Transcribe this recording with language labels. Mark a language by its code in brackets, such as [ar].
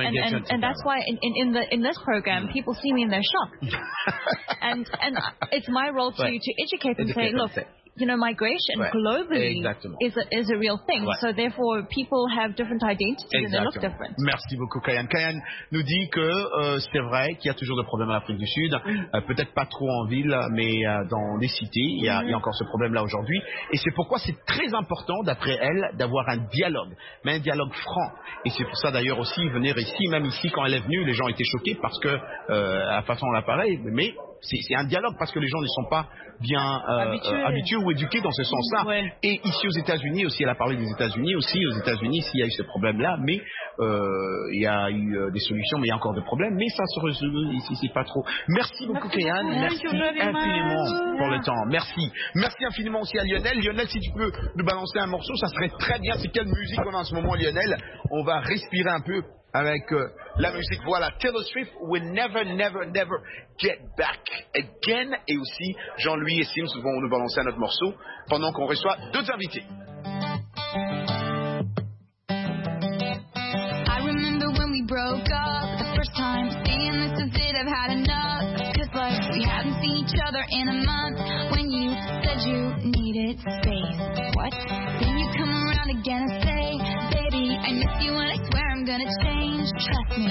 [en] and that's why in this program, people see me and they're shocked. and it's my role to educate them, say, look, you know, migration globally is a real thing. [fr] Ouais. [en] So therefore, people have different identities. [fr] Exactement. [en] And they look different. [fr] Merci beaucoup, Kayane. Kayane nous dit que c'est vrai qu'il y a toujours des problèmes en Afrique du Sud. Peut-être pas trop en ville, mais dans les cités, il y a encore ce problème-là aujourd'hui. Et c'est pourquoi c'est très important, d'après elle, d'avoir un dialogue, mais un dialogue franc. Et c'est pour ça d'ailleurs aussi venir ici, même ici, quand elle est venue, les gens étaient choqués parce que la façon dont elle apparaît, mais c'est un dialogue parce que les gens ne sont pas bien habitués ou éduqués dans ce sens-là. Ouais. Et ici aux États-Unis aussi, elle a parlé des États-Unis aussi. Aux États-Unis, s'il y a eu ce problème-là, mais il y a eu des solutions, mais il y a encore des problèmes. Mais ça se résout ici, c'est pas trop. Merci beaucoup, Kayane. Merci infiniment pour le temps. Merci. Merci infiniment aussi à Lionel. Lionel, si tu peux nous balancer un morceau, ça serait très bien. C'est quelle musique on a en ce moment, Lionel? On va respirer un peu avec la musique, voilà, Taylor Swift, We'll Never, Never, Never Get Back Again. Et aussi, Jean-Louis et Sims vont nous balancer un autre morceau pendant qu'on reçoit deux invités. [en] I remember when we broke up, the first time seeing this is it, I've had enough. Cause like, we haven't seen each other in a month, when you said you needed space. What? Then you come around again and say, baby, I miss you and I swear I'm gonna change, trust me.